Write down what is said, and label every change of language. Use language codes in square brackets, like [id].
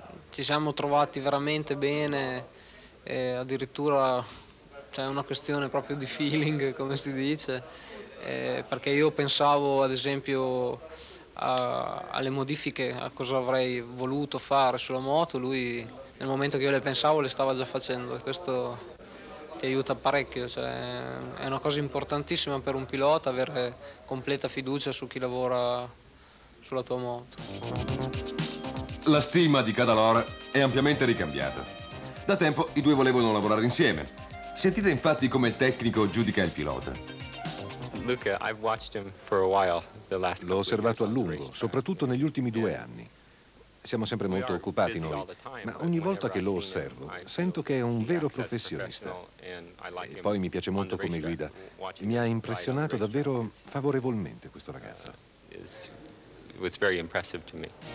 [it] Ci siamo trovati veramente bene, addirittura c'è una questione proprio di feeling, come si dice, perché io pensavo ad esempio alle modifiche, a cosa avrei voluto fare sulla moto, lui nel momento che io le pensavo le stava già facendo e questo ti aiuta parecchio, cioè, è una cosa importantissima per un pilota avere completa fiducia su chi lavora sulla tua moto. La stima di Cadalora è ampiamente ricambiata. Da tempo i due volevano lavorare insieme. Sentite infatti come il tecnico giudica il pilota. [en] Luca, I've watched him for a while, the last. [it] L'ho osservato a lungo, soprattutto negli ultimi 2 anni. Siamo sempre molto occupati noi, ma ogni volta che lo osservo sento che è un vero professionista. E poi mi piace molto come guida. Mi ha impressionato davvero favorevolmente questo ragazzo. [en] It was very impressive to me.